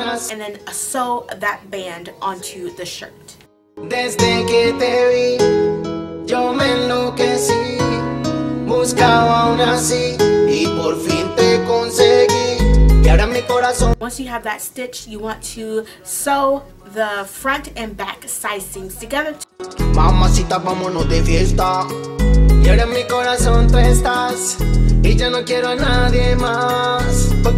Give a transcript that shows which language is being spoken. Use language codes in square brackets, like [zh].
[en] And then sew that band onto the shirt. [es] Desde que te vi, yo me enloquecí. Buscaba una así, y por fin te conseguí. Y ahora mi corazón. [en] Once you have that stitch, you want to sew the front and back side seams together. [es] Mamacita, vámonos de fiesta. Y ahora mi corazón tú estás. Y ya no quiero a nadie más.